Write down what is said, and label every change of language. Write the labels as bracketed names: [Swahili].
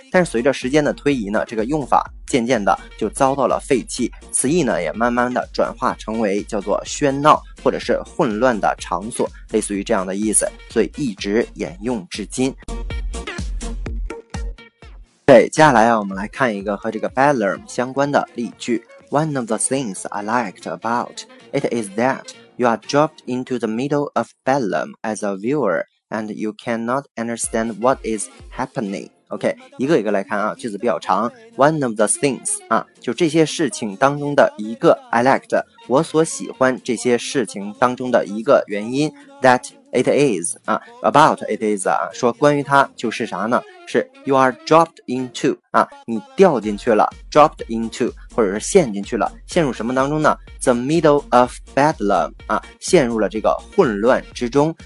[Chinese] 但是随着时间的推移呢，这个用法渐渐的就遭到了废弃，词义呢也慢慢的转化成为叫做喧闹或者是混乱的场所，类似于这样的意思，所以一直沿用至今。对，接下来啊，我们来看一个和这个 Bedlam 相关的例句。 [English] One of the things I liked about it is that. You are dropped into the middle of Bedlam as a viewer, and you cannot understand what is happening. [Chinese] OK, 一个一个来看啊，句子比较长。 [English] One of the things, [Chinese] 啊，就这些事情当中的一个 [English] I liked, [Chinese] 我所喜欢这些事情当中的一个原因 [English] that it is, [Chinese] 啊 [English] about it is, [Chinese] 啊，说关于它就是啥呢？是 [English] you are dropped into, [Chinese] 啊，你掉进去了 ,dropped into,或者是陷进去了，陷入什么当中呢 ？ [English] The middle of bedlam [Chinese] 啊，陷入了这个混乱之中。